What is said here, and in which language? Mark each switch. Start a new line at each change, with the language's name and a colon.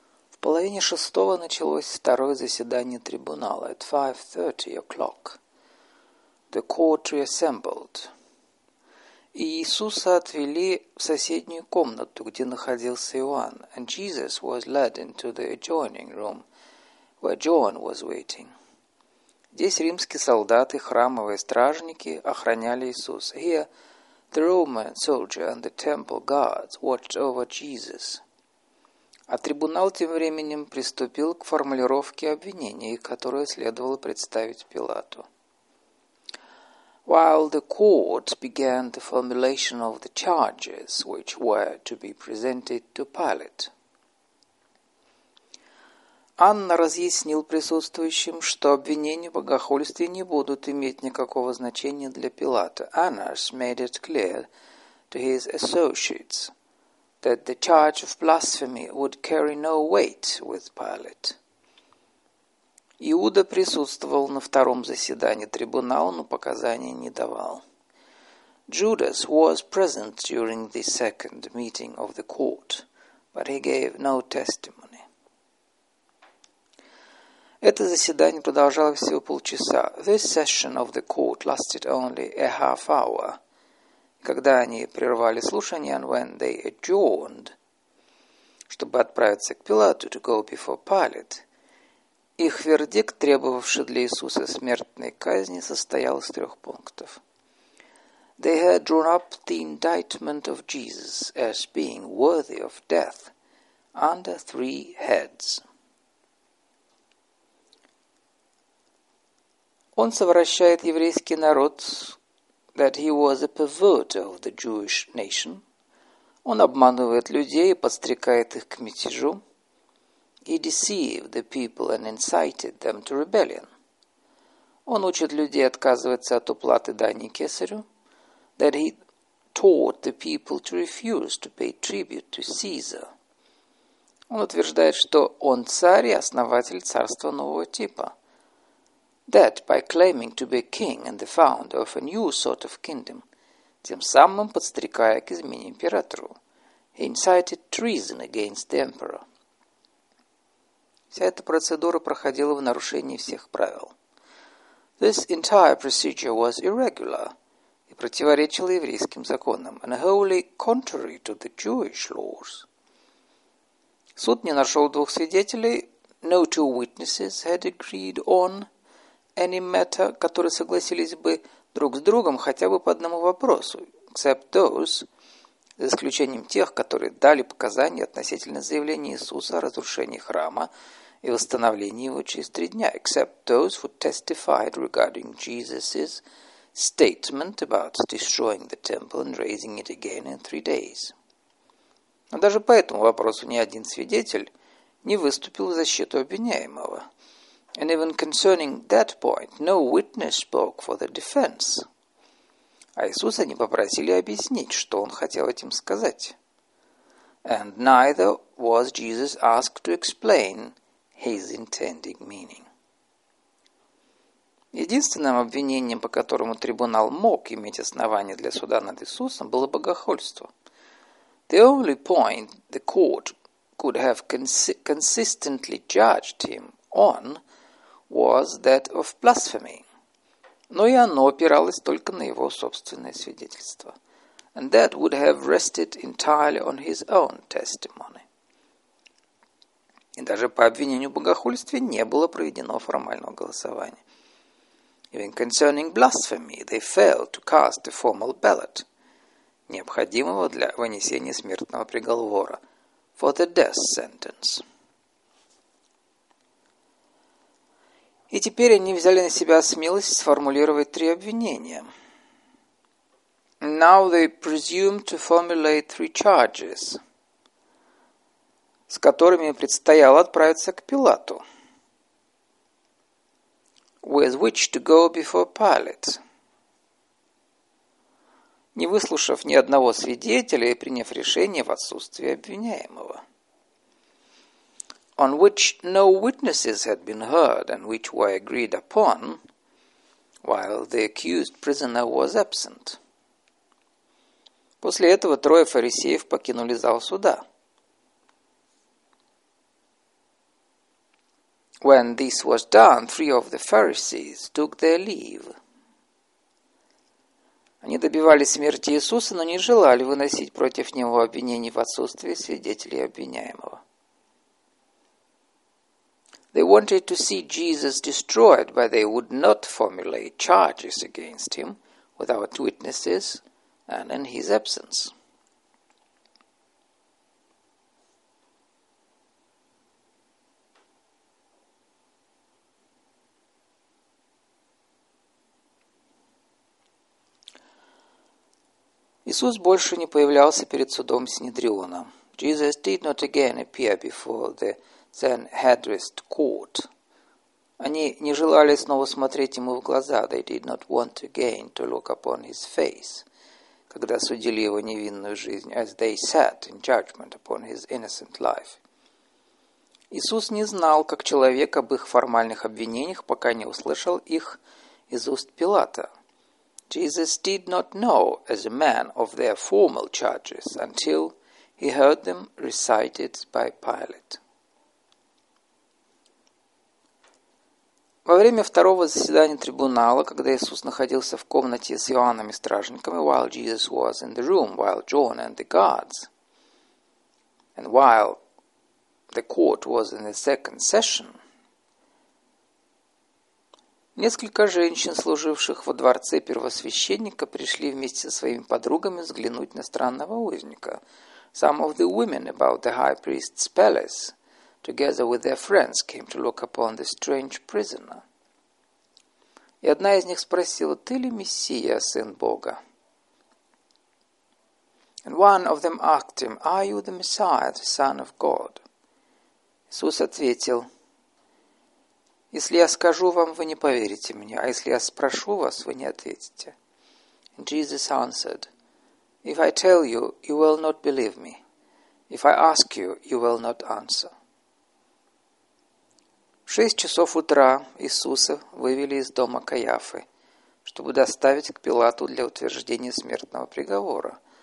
Russian: В половине шестого началось второе заседание трибунала.
English: At 5:30 o'clock, the court reassembled.
Russian: И Иисуса отвели в соседнюю комнату, где находился Иоанн.
English: And Jesus was led into the adjoining room, where John was waiting.
Russian: Здесь римские солдаты, храмовые стражники охраняли Иисуса.
English: Here, the Roman soldier and the temple guards watched over Jesus.
Russian: А трибунал тем временем приступил к формулировке обвинений, которое следовало представить Пилату.
English: While the court began the formulation of the charges which were to be presented to Pilate.
Russian: Анна разъяснил присутствующим, что обвинения в богохульстве не будут иметь никакого значения для Пилата.
English: Annas made it clear to his associates that the charge of blasphemy would carry no weight with Pilate.
Russian: Иуда присутствовал на втором заседании трибунала, но показания не давал.
English: Judas was present during the second meeting of the court, but he gave no testimony.
Russian: Это заседание продолжалось всего полчаса.
English: This session of the court lasted only a half hour.
Russian: Когда они прервали слушание,
English: and when they adjourned,
Russian: чтобы отправиться к Пилату,
English: to go before Pilate,
Russian: их вердикт, требовавший для Иисуса смертной казни, состоял из трех пунктов.
English: They had drawn up the indictment of Jesus as being worthy of death under three heads.
Russian: Он совращает еврейский народ,
English: that he was a perverter of the Jewish nation.
Russian: Он обманывает людей и подстрекает их к мятежу.
English: He deceived the people and incited them to rebellion.
Russian: Он учит людей отказываться от уплаты дани кесарю,
English: that he taught the people to refuse to pay tribute to Caesar.
Russian: Он утверждает, что он царь и основатель царства нового типа.
English: That by claiming to be a king and the founder of a new sort of kingdom,
Russian: тем самым подстрекая к измене императору,
English: he incited treason against the emperor.
Russian: Вся эта процедура проходила в нарушении всех правил.
English: This entire procedure was irregular
Russian: и противоречила еврейским законам,
English: and wholly contrary to the Jewish laws.
Russian: Суд не нашел двух свидетелей,
English: no two witnesses had agreed on any matter,
Russian: которые согласились бы друг с другом хотя бы по одному вопросу,
English: except those,
Russian: за исключением тех, которые дали показания относительно заявления Иисуса о разрушении храма и восстановлении его через три дня,
English: except those who testified regarding Jesus's statement about destroying the temple and raising it again in three days.
Russian: Но даже по этому вопросу ни один свидетель не выступил в защиту обвиняемого.
English: And even concerning that point, no witness spoke for the defense.
Russian: А Иисуса не попросили объяснить, что он хотел этим сказать.
English: And neither was Jesus asked to explain his intended meaning.
Russian: Единственным обвинением, по которому трибунал мог иметь основание для суда над Иисусом, было богохульство.
English: The only point the court could have consistently judged him on was that of blasphemy.
Russian: Но и оно опиралось только на его собственное свидетельство.
English: And that would have rested entirely on his own testimony.
Russian: И даже по обвинению в богохульстве не было проведено формального голосования.
English: Even concerning blasphemy, they failed to cast a formal ballot,
Russian: необходимого для вынесения смертного приговора,
English: for the death sentence.
Russian: И теперь они взяли на себя смелость сформулировать три обвинения.
English: Now they presume to formulate three charges,
Russian: с которыми предстояло отправиться к Пилату.
English: With which to go before Pilate.
Russian: Не выслушав ни одного свидетеля и приняв решение в отсутствии обвиняемого.
English: On which no witnesses had been heard and which were agreed upon, while the accused prisoner was absent.
Russian: После этого трое фарисеев покинули зал суда.
English: When this was done, three of the Pharisees took their leave.
Russian: Они добивались смерти Иисуса, но не желали выносить против него обвинений в отсутствии свидетелей обвиняемого.
English: They wanted to see Jesus destroyed, but they would not formulate charges against him without witnesses and in his absence.
Russian: Иисус больше не появлялся перед судом Синедриона.
English: Jesus did not again appear before the Sanhedrin court.
Russian: Они не желали снова смотреть ему в глаза.
English: They did not want again to look upon his face.
Russian: Когда судили его невинную жизнь,
English: as they sat in judgment upon his innocent life.
Russian: Иисус не знал, как человек об их формальных обвинениях, пока не услышал их из уст Пилата.
English: Jesus did not know as a man of their formal charges until he heard them recited by Pilate.
Russian: Во время второго заседания трибунала, когда Иисус находился в комнате с Иоанном и стражниками,
English: while Jesus was in the room, while John and the guards, and while the court was in the second session,
Russian: несколько женщин, служивших во дворце первосвященника, пришли вместе со своими подругами взглянуть на странного узника.
English: Some of the women about the high priest's palace, together with their friends, came to look upon the strange prisoner.
Russian: И одна из них спросила, «Ты ли Мессия, сын Бога?»
English: And one of them asked him, «Are you the Messiah, the Son of God?»
Russian: Иисус ответил, «Если я скажу вам, вы не поверите мне, а если я спрошу вас, вы не ответите».
English: And Jesus answered, «If I tell you, you will not believe me. If I ask you, you will not answer».
Russian: В 6:00 утра Иисуса вывели из дома Каяфы, чтобы доставить к Пилату для утверждения смертного приговора.